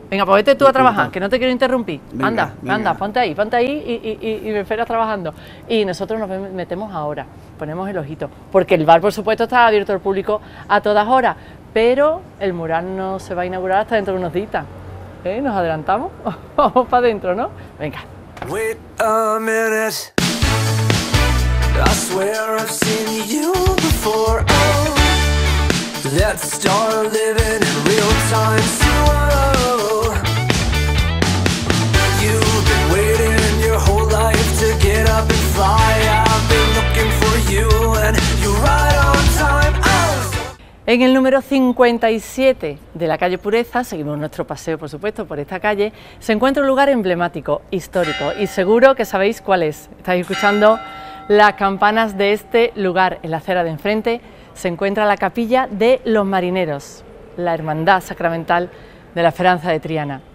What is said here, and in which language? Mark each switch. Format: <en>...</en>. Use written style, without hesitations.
<es>Venga, pues vete tú a trabajar, que no te quiero interrumpir. Venga, anda, venga. Anda, ponte ahí y me esperas trabajando. Y nosotros nos metemos ahora, ponemos el ojito, porque el bar, por supuesto, está abierto al público a todas horas, pero el mural no se va a inaugurar hasta dentro de unos días. ¿Eh? Nos adelantamos, vamos para adentro, ¿no? Venga.</es> <en>Wait a minute. I swear I've seen you before. Oh, let's start living in real time. Oh, you've been waiting your whole life to get up and fly. I've been looking for you and you're right on time.</en> <es>En el número 57 de la calle Pureza, seguimos nuestro paseo, por supuesto, por esta calle, se encuentra un lugar emblemático, histórico, y seguro que sabéis cuál es. Estáis escuchando las campanas de este lugar. En la acera de enfrente se encuentra la capilla de los marineros, la hermandad sacramental de la Esperanza de Triana.</es>